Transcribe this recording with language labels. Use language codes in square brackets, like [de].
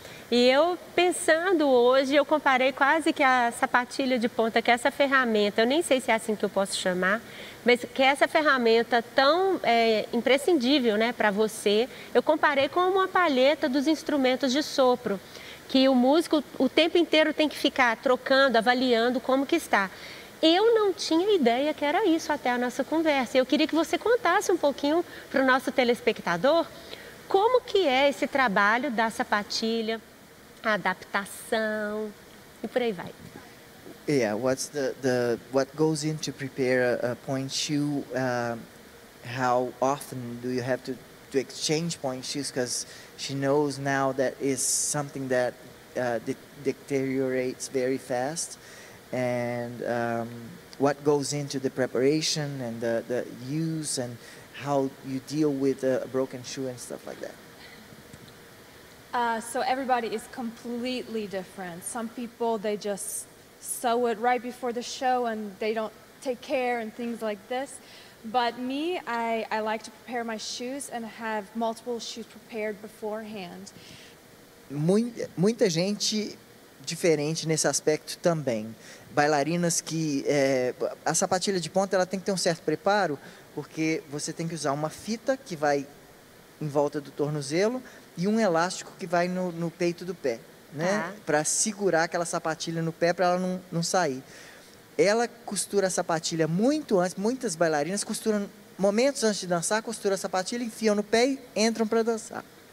[pt] E eu, pensando hoje, eu comparei quase que a sapatilha de ponta, que essa ferramenta, eu nem sei se é assim que eu posso chamar, mas que essa ferramenta tão imprescindível, né, para você, eu comparei com uma palheta dos instrumentos de sopro, que o músico o tempo inteiro tem que ficar trocando, avaliando como que está. Eu não tinha ideia que era isso até a nossa conversa. Eu queria que você contasse um pouquinho para o nosso telespectador como que é esse trabalho da sapatilha, a adaptação e por aí vai. [en] Yeah, what's the what goes into prepare a point shoe? How often do you have to exchange point shoes? Because she knows now that is something that deteriorates very fast. And what goes into the preparation and the use and how you deal with a broken shoe and stuff like that? So everybody is completely different. Some people, they just sew it right before the show and they don't take care and things like this. But me, I like to prepare my shoes and have multiple shoes prepared beforehand. [pt] Muita gente diferente nesse aspecto também. Bailarinas que a sapatilha de ponta, ela tem que ter um certo preparo, porque você tem que usar uma fita que vai em volta do tornozelo e um elástico que vai no peito do pé, né? Para segurar aquela sapatilha no pé para ela não sair. Ela costura a sapatilha muito antes, muitas bailarinas costuram momentos antes de dançar, costura a sapatilha, enfiam no pé e entram para dançar.